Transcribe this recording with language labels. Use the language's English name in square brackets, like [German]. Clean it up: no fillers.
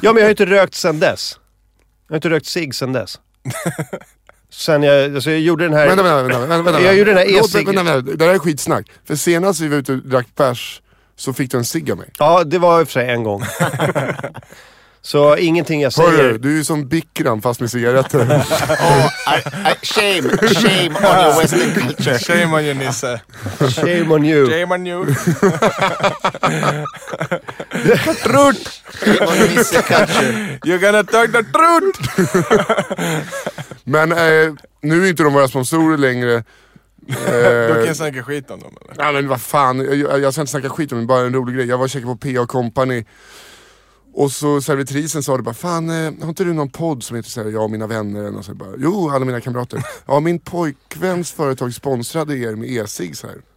[Swedish] Ja, men jag har inte rökt sen dess. Jag har inte rökt cig sen dess. Sen jag gjorde den här... Det där är skitsnack. För senast vi var ute och drack pers så fick du en cig av mig. Ja, det var för sig en gång. Så ingenting jag säger. Hörru, du är ju som Bikram fast med cigaretter. [English] Shame on your Western culture. Shame on you, Nisse. Shame on you. Shame on you. The truth. Shame on Nisse culture. You're gonna talk the truth. [Swedish] Men nu är inte de våra sponsorer längre. Du kan snacka skit om dem eller? Nej, men vad fan. Jag ska inte snacka skit om dem, bara en rolig grej. Jag var checkad på PA Company. Och så servitrisen sa det bara, fan, har inte du någon podd som heter så här, jag och mina vänner? Och så bara, jo, alla mina kamrater. Ja, min pojkväns företag sponsrade er med e-cig så här.